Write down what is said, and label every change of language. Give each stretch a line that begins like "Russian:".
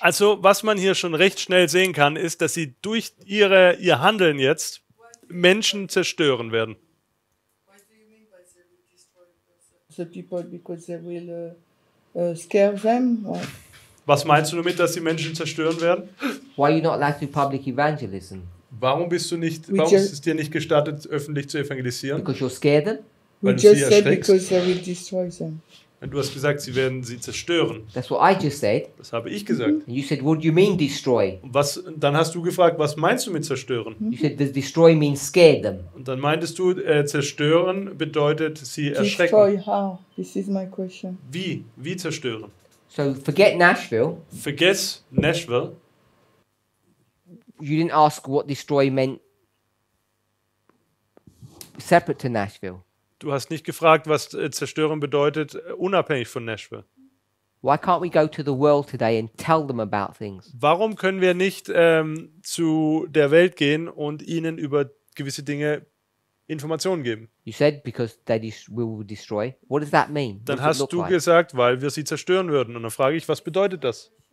German: Also, was man hier schon recht schnell sehen kann, ist, dass sie durch ihr Handeln jetzt Menschen zerstören werden.
English: What do you mean by they will destroy people? The people, because they will scare them?
German: Was meinst du damit, dass sie Menschen zerstören werden?
English: Why are you not allowed to public evangelism?
German: Warum ist es dir nicht gestattet, öffentlich zu evangelisieren?
English: Because you're scared them.
German: Weil du
English: just
German: sie erschreckst.
English: Said because they will destroy them.
German: Und du hast gesagt, sie werden sie zerstören.
English: That's what I just said.
German: Das habe ich gesagt.
English: And you said, what do you mean destroy?
German: Was? Dann hast du gefragt, was meinst du mit zerstören?
English: You said, does destroy mean scare them?
German: Und dann meintest du, zerstören bedeutet sie
English: destroy
German: erschrecken.
English: Destroy how? This is my question.
German: Wie zerstören?
English: So forget Nashville.
German: Vergiss Nashville.
English: You didn't ask what destroy meant separate to Nashville.
German: Du hast nicht gefragt, was zerstören bedeutet unabhängig von Nashville.
English: Why can't we go to the world today and tell them about things?
German: Warum können wir nicht zu der Welt gehen und ihnen über gewisse Dinge Informationen geben?
English: You said because they will destroy. What does that mean?
German: Dann hast du gesagt, weil wir sie zerstören würden, und dann frage ich, was bedeutet das?